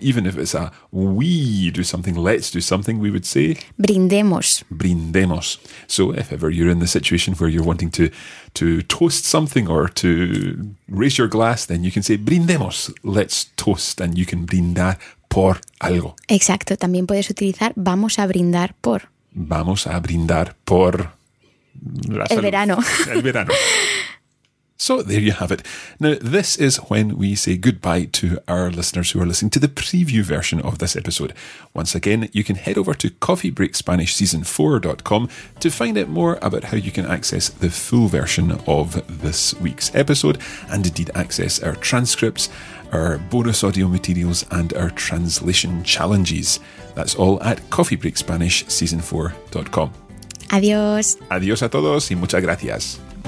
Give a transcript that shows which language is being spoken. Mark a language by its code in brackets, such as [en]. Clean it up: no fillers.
[en] Even if it's a we do something, let's do something, we would say... [es] Brindemos. Brindemos. [en] So if ever you're in the situation where you're wanting to toast something or to raise your glass, then you can say brindemos, let's toast, and you can [es] brindar por algo. Exacto. También puedes utilizar vamos a brindar por. Vamos a brindar por... El verano. El verano. [en] So there you have it. Now, this is when we say goodbye to our listeners who are listening to the preview version of this episode. Once again, you can head over to coffeebreakspanishseason4.com to find out more about how you can access the full version of this week's episode and indeed access our transcripts, our bonus audio materials, and our translation challenges. That's all at coffeebreakspanishseason4.com. [es] Adios. Adios a todos y muchas gracias.